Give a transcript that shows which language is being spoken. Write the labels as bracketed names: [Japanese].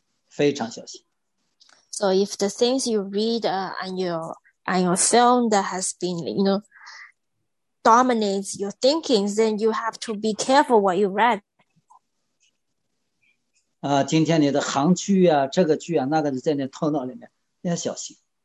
[Chinese] 今天你微信上看到很多东西啊，占据了你的头脑的时候，弟兄姐妹还是要小心，非常小心。So [English] if the things you read and your film that has been, you know, dominates your thinking, then you have to be careful what you read. [Chinese] 今天你的韩剧啊，这个剧啊，那个在你头脑里面，你要小心。